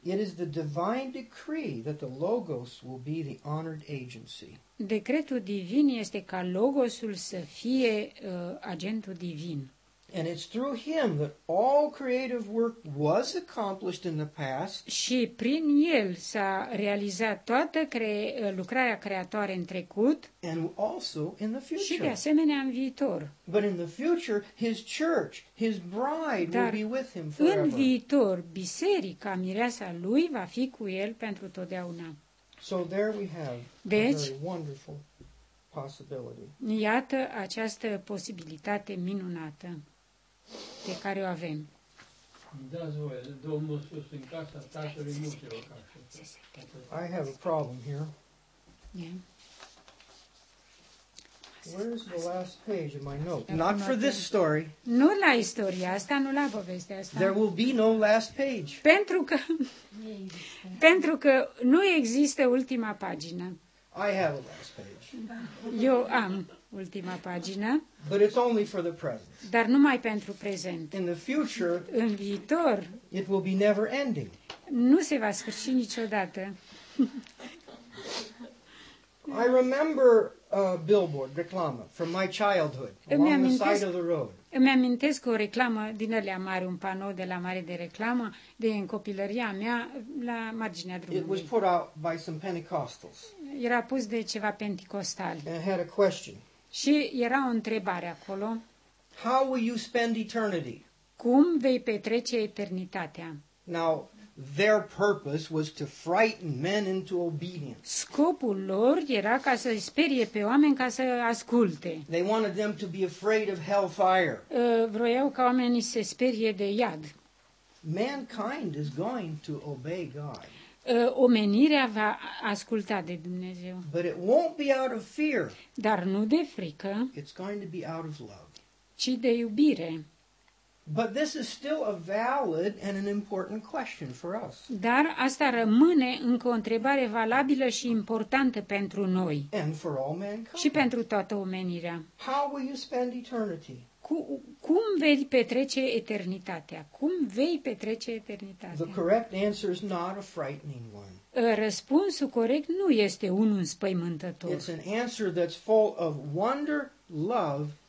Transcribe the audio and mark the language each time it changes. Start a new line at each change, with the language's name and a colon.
English: It is the divine decree that the Logos will be the honored agency.
Romanian: Decretul divin este ca Logosul să fie agentul divin.
English: And it's through him that all creative work was accomplished in the past.
Romanian: Și prin el s-a realizat toată lucrarea creatoare în trecut.
English: And also in the future.
Romanian: Și de asemenea în viitor.
English: But in the future, his church, his bride,
Romanian: dar
English: will be with him forever.
Romanian: În viitor, biserica, mireasa lui, va fi cu el pentru totdeauna.
English: So there we have
Romanian: deci,
English: a very wonderful possibility.
Romanian: Iată această posibilitate minunată pe care o avem. Dați voie, Domnul a spus în casa Tatălui multe locașe.
English: I have a problem here. Yeah. Where's the last page of my note? Not for this story.
Romanian: Nu la istoria asta, nu la povestea asta.
English: There will be no last page.
Romanian: Pentru că nu există ultima pagină.
English: I have a last page.
Romanian: Eu am ultima pagină.
English: But it's only for the present.
Romanian: Dar numai pentru prezent.
English: In the future,
Romanian: în viitor,
English: it will be never ending.
Romanian: Nu se va sfârși niciodată.
English: I remember a billboard reclamă from my childhood along the side of the road.
Romanian: Îmi amintesc o reclamă din alea mare, un panou de la mare de reclamă de în copilăria mea la marginea drumului.
English: It was put out by some Pentecostals.
Romanian: Era pus de ceva pentecostali.
English: And had a question.
Romanian: Și era o întrebare acolo.
English: How will you spend eternity?
Romanian: Cum vei petrece eternitatea?
English: Now, their purpose was to frighten men into obedience.
Romanian: Scopul lor era ca să sperie pe oameni ca să asculte.
English: They wanted them to be afraid of hellfire.
Romanian: Vroiau ca oamenii să se sperie de iad.
English: Mankind is going to obey God.
Romanian: Omenirea va asculta de Dumnezeu.
English: But it won't be out of fear.
Romanian: Dar nu de frică.
English: It's going to be out of love.
Romanian: Ci de iubire.
English: But this is still a valid and an important question for us.
Romanian: Dar asta rămâne încă o întrebare valabilă și importantă pentru noi.
English: And for all mankind.
Romanian: Și pentru toată omenirea.
English: How will you spend eternity?
Romanian: Cum vei petrece eternitatea? Cum vei petrece eternitatea?
English: The correct answer is not a frightening one.
Romanian: Răspunsul corect nu este unul înspăimântător.
English: It's an answer that's full of wonder, love,